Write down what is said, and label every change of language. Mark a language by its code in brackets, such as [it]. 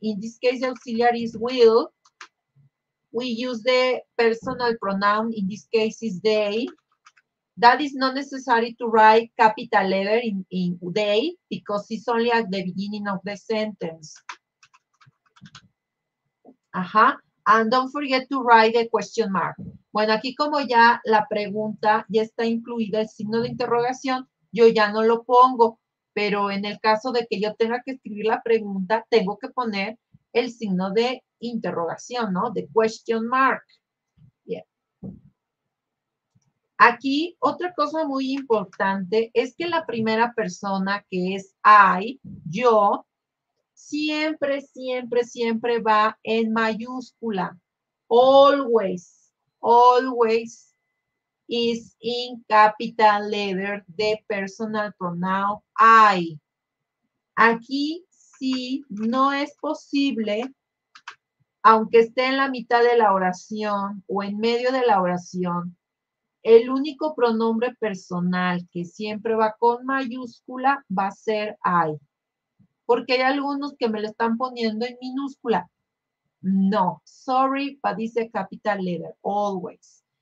[en] In this case, the auxiliary is will. We use the personal pronoun. In this case, is they. That is not necessary to write capital letter in they because it's only at the beginning of the sentence. Ajá. And don't forget to write a question mark. [es] Bueno, aquí como ya la pregunta ya está incluida, el signo de interrogación, yo ya no lo pongo. Pero en el caso de que yo tenga que escribir la pregunta, tengo que poner el signo de interrogación, ¿no? [en] De question mark. Yeah. [es] Aquí otra cosa muy importante es que la primera persona que es I, yo, siempre, siempre, siempre va en mayúscula. [en] Always, always is in capital letter the personal pronoun I. [es] Aquí sí no es posible, aunque esté en la mitad de la oración o en medio de la oración, el único pronombre personal que siempre va con mayúscula va a ser I. Porque hay algunos que me lo están poniendo en minúscula. [en] No, sorry, but it's a capital letter, always.